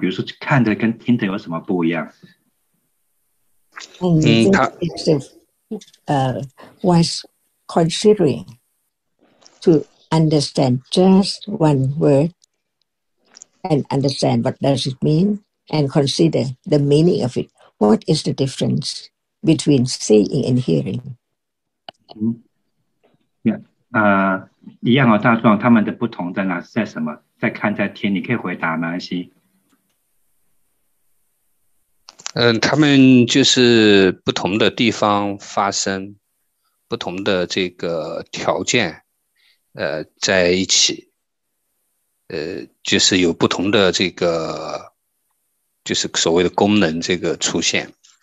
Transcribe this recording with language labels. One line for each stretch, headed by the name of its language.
Chinese: 那么老师的问题呢是，那再看呢，它跟听闻尝有什么不一样？比如说，看的跟听的有什么不一样？
English: This is wise considering to understand just one word and understand what does it mean and consider the meaning of it. What is the difference between seeing and hearing? Yeah.
Chinese: 一样哦，大壮，他们的不同在哪？在什么？在看，在听？你可以回答吗？安西。他们就是不同的地方发生，不同的这个条件，在一起，就是有不同的这个，就是所谓的功能这个出现。